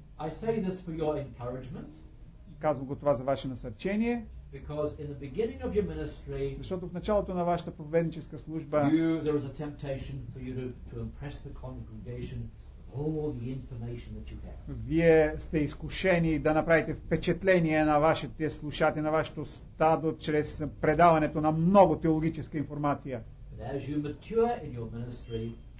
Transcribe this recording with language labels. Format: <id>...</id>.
<en>I say this for your encouragement.</en> <bg>Казвам го това за ваше насърчение.</bg> <en>Because in the beginning of your ministry,</en> <bg>защото в началото на вашата проповедническа служба,</bg> <en>there is a temptation for you to impress the congregation all the information that you have.</en> <bg>Вие сте изкушени да направите впечатление на вашите слушатели, на вашето стадо чрез предаването на много теологическа информация.</bg> <en>But as you mature in your ministry,</en>